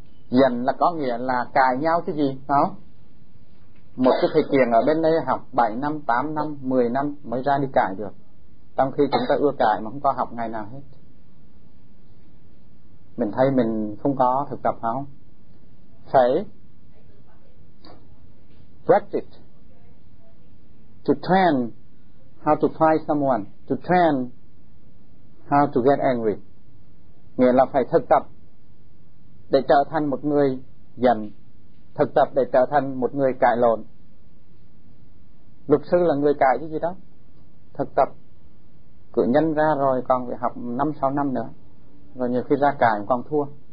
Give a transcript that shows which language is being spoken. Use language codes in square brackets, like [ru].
[vi] Giận là có nghĩa là cãi nhau chứ gì đó. Một cái thầy kiền ở bên đây học 7 năm, 8 năm, 10 năm mới ra đi cãi được, trong khi chúng ta ưa cãi mà không có học ngày nào hết. Mình thấy mình không có thực tập không? Phải practice, [en] to train how to fight someone, to train how to get angry. [vi] Nghĩa là phải thực tập để trở thành một người giận, thực tập để trở thành một người cãi lộn. Luật sư là người cãi chứ gì đó. Thực tập cử nhân ra rồi còn phải học 5-6 năm nữa, rồi nhiều khi ra cãi còn thua.